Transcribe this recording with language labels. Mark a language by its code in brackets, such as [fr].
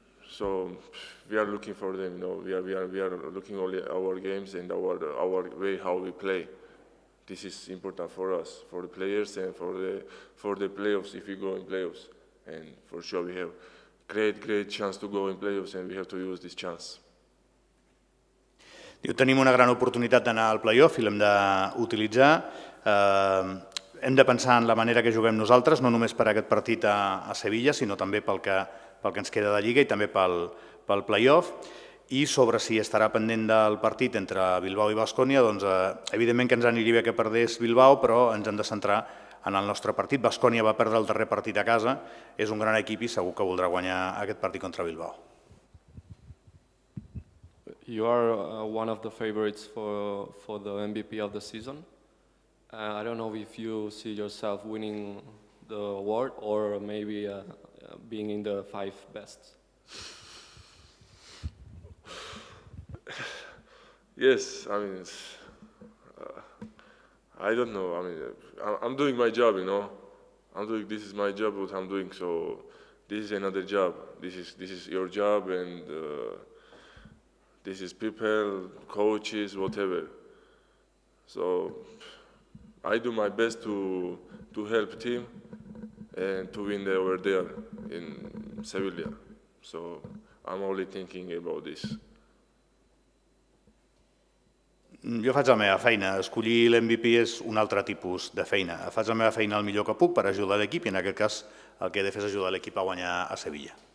[en] So we are looking for them. You know, we are looking only our games and our way how we play. This is important for us, for the players and for the playoffs. If we go in playoffs. And for sure we have great chance to go in playoffs, and we have to use this chance. [ca] Diu, tenim una gran oportunitat d'anar al playoff i l'hem d'utilitzar. Hem de pensar en la manera que juguem nosaltres, no només per aquest partit a Sevilla, sinó també pel que ens queda de Lliga i també pel playoff. I sobre si estarà pendent del partit entre Bilbao i Baskonia, doncs evidentment que ens aniria bé que perdés Bilbao, però ens hem de centrar en el nostre partit. Baskonia va perdre el darrer partit a casa, és un gran equip i segur que voldrà guanyar aquest partit contra Bilbao. [en] You are one of the favorites for the MVP of the season. I don't know if you see yourself winning the award or maybe being in the five best. Yes, I mean, I don't know. I mean, I'm doing my job, you know. This is my job, what I'm doing. So this is another job. This is your job, and this is people, coaches, whatever. So I do my best to help team and to win over there in Sevilla. So I'm only thinking about this. [ca] Jo faig la meva feina. Escollir l'MVP és un altre tipus de feina. Faig la meva feina el millor que puc per ajudar l'equip i en aquest cas el que he de fer és ajudar l'equip a guanyar a Sevilla.